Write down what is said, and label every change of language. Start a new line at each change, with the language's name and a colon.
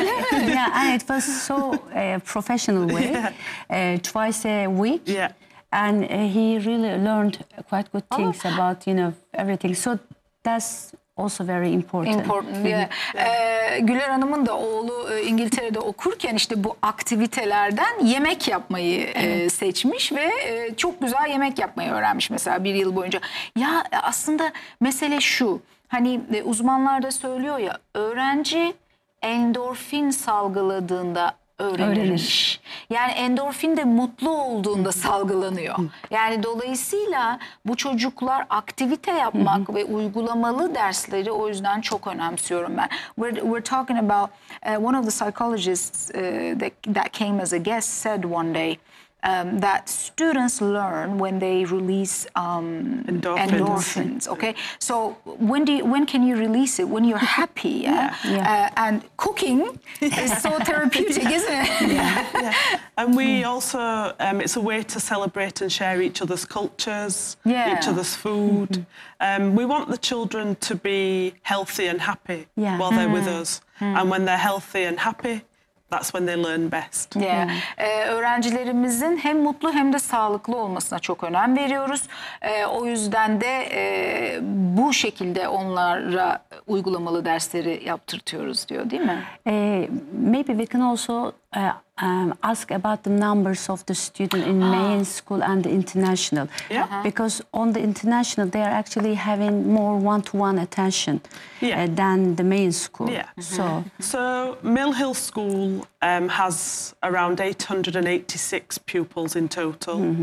English: Yeah, and it was so professional way, twice a week. Yeah. And he really learned quite good things about, you know, everything. So that's also very important. Important, yeah.
Turkish: Güler Hanım'ın da oğlu İngiltere'de okurken işte bu aktivitelerden yemek yapmayı seçmiş ve çok güzel yemek yapmayı öğrenmiş mesela bir yıl boyunca. Ya aslında mesele şu, hani uzmanlar da söylüyor ya, öğrenci endorfin salgıladığında öğrenir. Yani endorfin de mutlu olduğunda salgılanıyor. Yani dolayısıyla bu çocuklar aktivite yapmak ve uygulamalı dersleri o yüzden çok önemsiyorum ben.
English: We're talking about one of the psychologists that came as a guest said one day that students learn when they release endorphins. Okay, so when can you release it? When you're happy, yeah. And cooking is so therapeutic, isn't it? And we also, it's a way to celebrate and share each other's cultures, each other's food. We want the children to be healthy and happy while they're with us, and when they're healthy and happy, that's when they learn best. Yeah.
Turkish: Öğrencilerimizin hem mutlu hem de sağlıklı olmasına çok önem veriyoruz. O yüzden de bu şekilde onlara uygulamalı dersleri yaptırtıyoruz diyor, değil mi?
English: Maybe we can also ask about the numbers of the student in main school and the international. Yeah. Because on the international they are actually having more one-to-one attention than the main school. Yeah. So Mill Hill School has around 886 pupils in total.